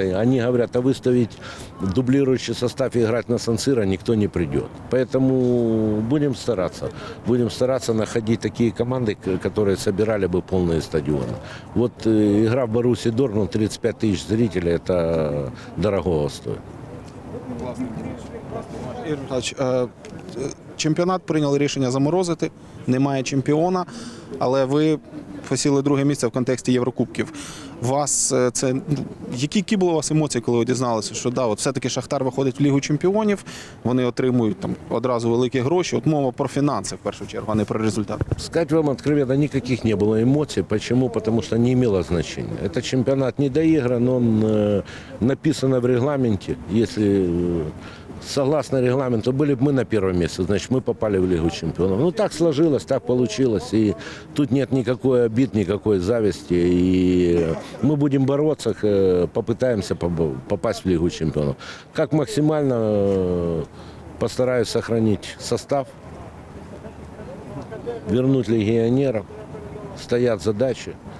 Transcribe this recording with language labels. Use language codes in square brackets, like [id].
[ru] Они говорят, а выставить дублирующий состав и играть на Сан-Сиро никто не придет. Поэтому будем стараться. Будем стараться находить такие команды, которые собирали бы полные стадионы. Вот игра в Боруссии Дортмунд, 35 тысяч зрителей, это дорогого стоит. [uk] Ігор Михайлович, чемпіонат прийняли рішення заморозити, немає чемпіона, але ви посіли друге місце в контексті Єврокубків. Вас це, які були у вас емоції, коли ви дізналися, що да, от все-таки Шахтар виходить в Лігу чемпіонів, вони отримують там одразу великі гроші. От мова про фінанси, в першу чергу, а не про результат. Сказати вам відкрито, ніяких не було емоцій. Чому? Тому що не мало значення. Це чемпіонат не доігран, він написано в регламенті, якщо... [ru] Согласно регламенту, были бы мы на первом месте, значит, мы попали в Лигу чемпионов. Ну, так сложилось, так получилось. И тут нет никакой обид, никакой зависти. И мы будем бороться, попытаемся попасть в Лигу чемпионов. Как максимально постараюсь сохранить состав, вернуть легионеров, стоят задачи.